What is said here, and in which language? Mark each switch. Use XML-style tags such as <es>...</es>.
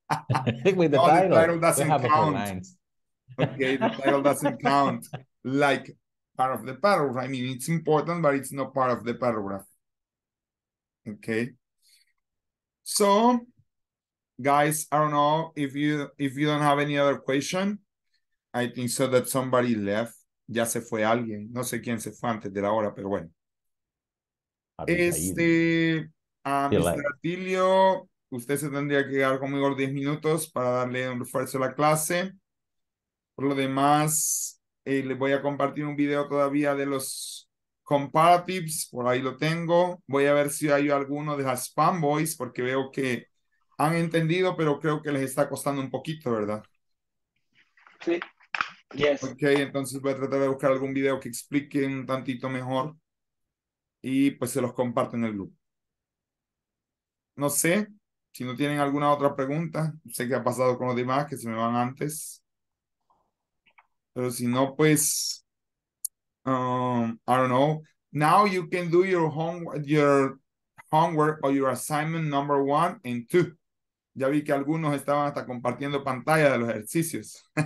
<en>With the, no, title, the title doesn't have count. Lines. Okay, the title doesn't count like part of the paragraph. I mean, it's important, but it's not part of the paragraph. Okay. So, guys, I don't know if you don't have any other question. I think so that somebody left.</en> <es>Ya se fue alguien. No sé quién se fue antes de la hora, pero bueno. Mr. Atilio, usted se tendría que quedar conmigo 10 minutos para darle un refuerzo a la clase. Por lo demás, le voy a compartir un video todavía de los comparatives. Por ahí lo tengo. Voy a ver si hay alguno de las spam boys, porque veo que han entendido, pero creo que les está costando un poquito, ¿verdad? Sí.</es> <en>Yes.</en> <es>Ok, entonces voy a tratar de buscar algún video que explique un tantito mejor. Y pues se los comparto en el grupo. No sé si no tienen alguna otra pregunta. Sé qué ha pasado con los demás, que se me van antes. Pero si no, pues,</es> <en>I don't know. Now you can do your homework or your assignment number 1 and 2.</en> <es>Ya vi que algunos estaban hasta compartiendo pantalla de los ejercicios.</es>